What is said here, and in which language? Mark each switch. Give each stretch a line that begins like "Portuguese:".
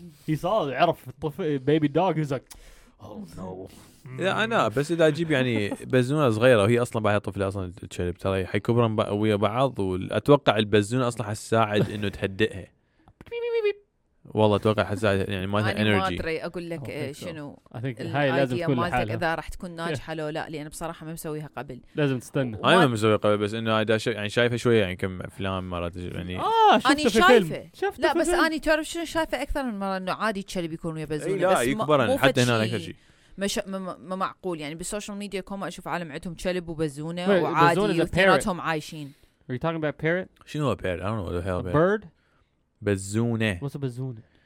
English: He saw
Arabic: عرف الطفل
English: baby dog he's like oh no.
Arabic: لا أنا بس إذا أجيب يعني بزونة صغيرة وهي أصلاً بعدها طفلة أصلاً الكلب ترى حيكبرن ويا بعض وأتوقع البزونة أصلاً حساعد إنه تهدئها. والله أتوقع حساعد يعني ما هي إنرجي. أنا ما أدري أقول لك شنو. هاي لازم كل حالها. إذا راح تكون ناجحة لو لا لأن بصراحة ما مسويها قبل. لازم تستنى. أنا ما مسويها قبل بس إنه إذا يعني شايفة شوية يعني كم أفلام مرات يعني. آه شفت في فيلم. لا بس أنا تعرف شنو شايفة أكثر من مرة إنه عادي الكلب يكون ويا بزونة. لا يكبرن حتى هنا أكثر شيء. مش ما معقول يعني بالسوشيال ميديا كوم اشوف عالم عندهم كلب وبزونه وعادي وثنيناتهم عايشين.
English: Are you talking about parrot?
Arabic: شنو هو
English: parrot? I don't know what the hell a bird?
Arabic: بزونه.
English: What's a بزونه?